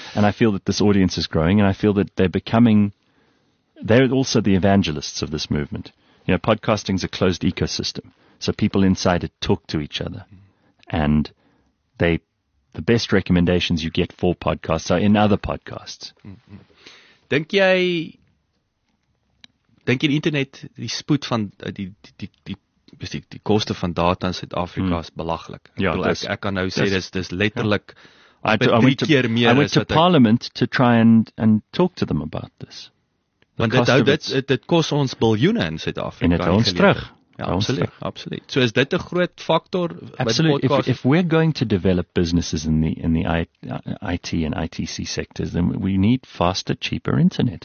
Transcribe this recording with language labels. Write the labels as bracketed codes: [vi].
[en] And I feel that this audience is growing, and I feel that they're becoming... They're also the evangelists of this movement. You know, podcasting is a closed ecosystem. So people inside it talk to each other. And the best recommendations you get for podcasts are in other podcasts. [af] Dink jy die internet, die spoed van, die koste van data in Suid-Afrika is belaglik? Ja, ek kan nou sê, dis letterlik, [en] I went to Parliament to try and talk to them about this. [af] Want dit kos ons biljoene in Suid-Afrika. En dit hou ons terug. Ja, absoluut. So is dit 'n groot faktor? Absoluut. [en] If we're going to develop businesses in the IT en ITC sectors, then we need faster, cheaper internet.